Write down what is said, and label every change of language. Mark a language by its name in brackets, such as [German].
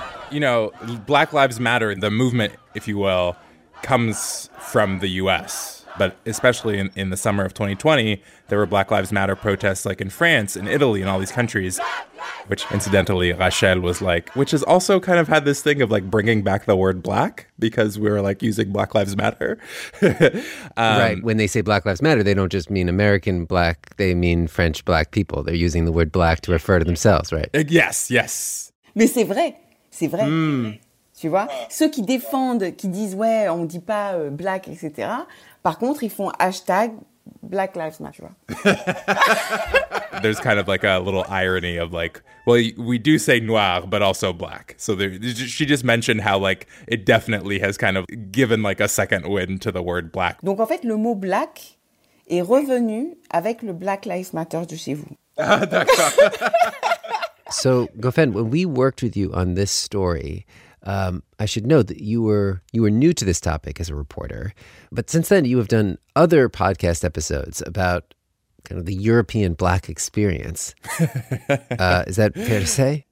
[English] You know, Black Lives Matter, the movement, if you will, comes from the U.S., but especially in the summer of 2020, there were Black Lives Matter protests like in France and Italy and all these countries, which incidentally Rachel was like, which has also kind of had this thing of like bringing back the word black because we were like using Black Lives Matter. Right. When they say Black Lives Matter, they don't just mean American black. They mean French black people. They're using the word black to refer to themselves, right? Yes, yes. [French] Mais c'est vrai. C'est vrai. Mm. Tu vois, ceux qui défendent, qui disent, ouais, on dit pas black, etc. Par contre, ils font hashtag Black Lives Matter. [English] There's kind of like a little irony of like, well, we do say noir, but also black. So she just mentioned how like it definitely has kind of given like a second wind to the word black. [French] Donc en fait, le mot black est revenu avec le Black Lives Matter de chez vous. Ah, d'accord. [English] So, Gofen, when we worked with you on this story, I should note that you were new to this topic as a reporter, but since then you have done other podcast episodes about kind of the European black experience. Is that fair to say?